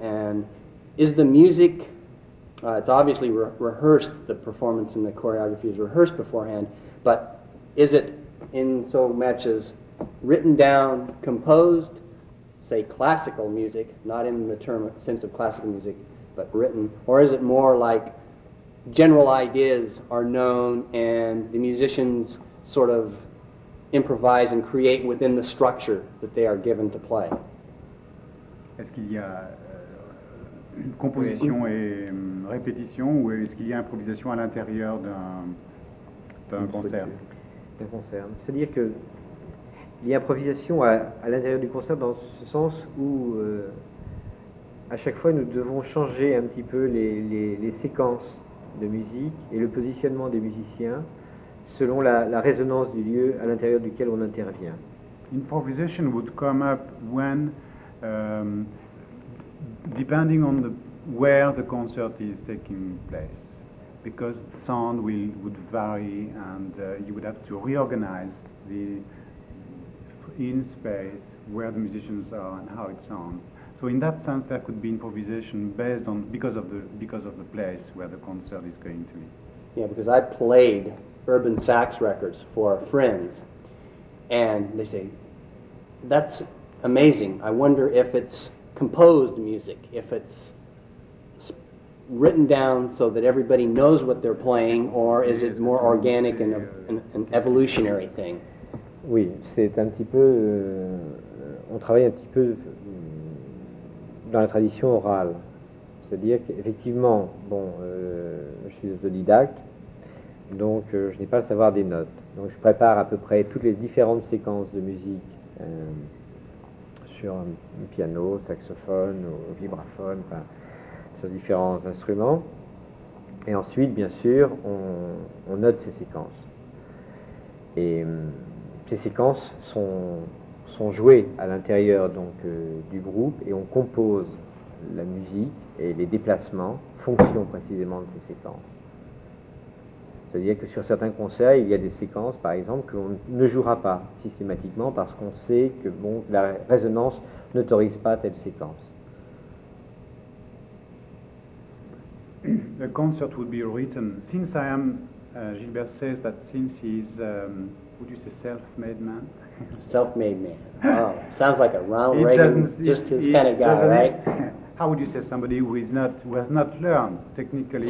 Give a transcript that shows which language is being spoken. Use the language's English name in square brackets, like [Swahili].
[English] And is the music, it's obviously rehearsed, the performance and the choreography is rehearsed beforehand, but is it in so much as written down, composed, say classical music, not in the term sense of classical music, but written? Or is it more like general ideas are known and the musicians sort of improvise and create within the structure that they are given to play? [French] Est-ce qu'il y a composition et répétition, ou est-ce qu'il y a improvisation à l'intérieur d'un concert? D'un concert. C'est-à-dire que il y a improvisation à l'intérieur du concert dans ce sens où à chaque fois nous devons changer un petit peu les séquences de musique et le positionnement des musiciens selon la résonance du lieu à l'intérieur duquel on intervient. [English] Improvisation would come up when depending on the where the concert is taking place, because sound would vary and you would have to reorganize the in space where the musicians are and how it sounds. So in that sense, there could be improvisation based on because of the place where the concert is going to be. Yeah, because I played urban sax records for friends, and they say, that's amazing. I wonder if it's composed music, if it's written down so that everybody knows what they're playing, or is it more organic and an evolutionary thing? [French] Oui, c'est un petit peu. On travaille un petit peu dans la tradition orale. C'est-à-dire qu'effectivement, je suis autodidacte, donc je n'ai pas le savoir des notes. Donc je prépare à peu près toutes les différentes séquences de musique sur un piano, saxophone, ou vibraphone, enfin, sur différents instruments. Et ensuite, bien sûr, on note ces séquences. Et. Ces séquences sont jouées à l'intérieur du groupe et on compose la musique et les déplacements fonction précisément de ces séquences. C'est-à-dire que sur certains concerts, il y a des séquences, par exemple, que l'on ne jouera pas systématiquement parce qu'on sait que la résonance n'autorise pas telle séquence. [English] The concert would be written since I am Gilbert says that since he's would you say self-made man? Self-made man. Oh, sounds like a Ronald Reagan, just his kind of guy, right? How would you say somebody who has not learned technically?